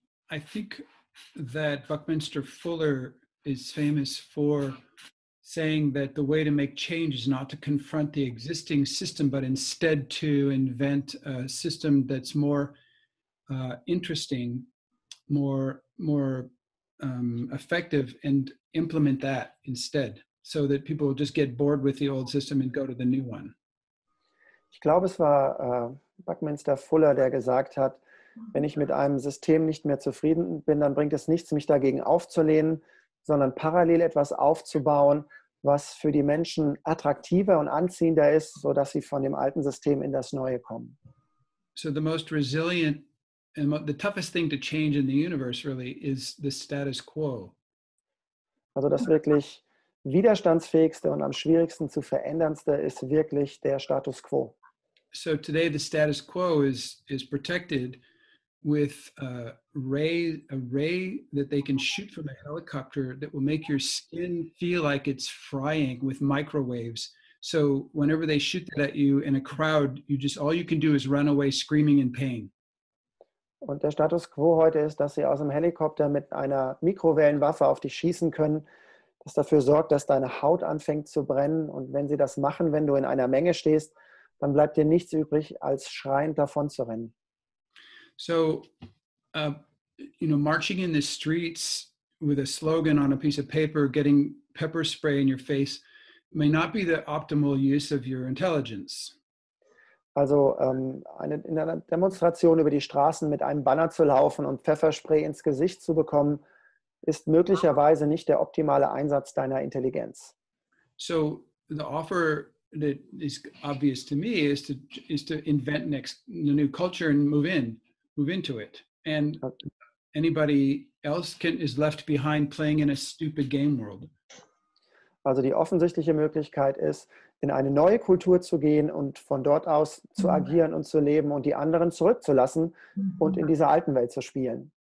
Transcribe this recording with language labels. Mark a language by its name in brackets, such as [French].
[English] I think that Buckminster Fuller is famous for saying that the way to make change is not to confront the existing system, but instead to invent a system that's more interesting, more effective, and implement that instead, so that people just get bored with the old system and go to the new one. [German] Ich glaube, es war Buckminster Fuller, der gesagt hat, wenn ich mit einem System nicht mehr zufrieden bin, dann bringt es nichts, mich dagegen aufzulehnen, sondern parallel etwas aufzubauen, was für die Menschen attraktiver und anziehender ist, sodass sie von dem alten System in das neue kommen. [English] So the most resilient and the toughest thing to change in the universe really is the status quo. [German] Also das wirklich widerstandsfähigste und am schwierigsten zu veränderndste ist wirklich der Status quo. [English] So today the status quo is protected with a ray that they can shoot from a helicopter that will make your skin feel like it's frying with microwaves. So whenever they shoot that at you in a crowd, you just, all you can do is run away screaming in pain. [German] Und der Status quo heute ist, dass sie aus dem Helikopter mit einer Mikrowellenwaffe auf dich schießen können, das dafür sorgt, dass deine Haut anfängt zu brennen. Und wenn sie das machen, wenn du in einer Menge stehst, dann bleibt dir nichts übrig, als schreiend davon zu rennen. [English] So, marching in the streets with a slogan on a piece of paper, getting pepper spray in your face, may not be the optimal use of your intelligence. [German] Also eine, in einer Demonstration über die Straßen mit einem Banner zu laufen und Pfefferspray ins Gesicht zu bekommen, ist möglicherweise nicht der optimale Einsatz deiner Intelligenz. [English] So the offer that is obvious to me is to invent the new culture and move into it. And anybody else is left behind playing in a stupid game world. [German] Also die offensichtliche Möglichkeit ist, in eine neue Kultur zu gehen und von dort aus zu agieren und zu leben und die anderen zurückzulassen und in dieser alten Welt zu spielen.